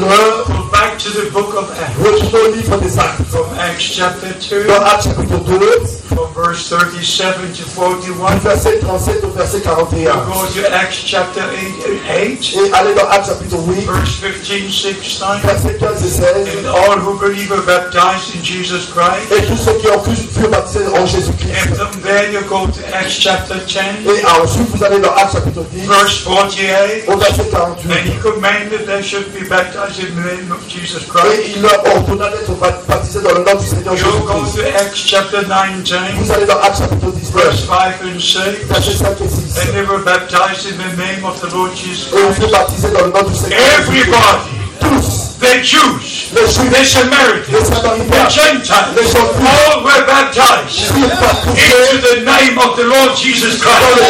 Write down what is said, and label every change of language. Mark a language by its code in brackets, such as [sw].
[en] Go back to the book of Acts, from Acts chapter 2, from verse 37 to 41, [fr] verset 37 to verset 41. [en] Go to Acts chapter 8, [fr] et allez dans Acts chapitre 8, [en] verse 15, 16, [fr] verset 15 et 16. [en] And all who believe are baptized in Jesus Christ. [fr] Et tous ceux qui ont cru furent baptisés en Jésus Christ. [en] And from there you go to Acts chapter 10. [fr] Et ensuite vous allez dans Acts chapitre 10, [en] verse 48, [fr] au verset 48. [en] And he commanded they should be baptized in the name of Jesus Christ. [fr] Et il leur ordonna d'être baptisés dans le nom du Seigneur Jésus Christ. [en] You go to Acts chapter 9. [fr] Vous allez dans Acts chapitre 10, [en] verse 5 and 6. [fr] Verset 5 et 6. [en] And they were baptized in the name of the Lord Jesus Christ. [fr] Dans le nom du Seigneur. [en] Everybody, [fr] tous, [en] the Jews, [fr] les Juifs, [en] the Samaritans, the Gentiles, all were baptized into the name of the Lord Jesus Christ.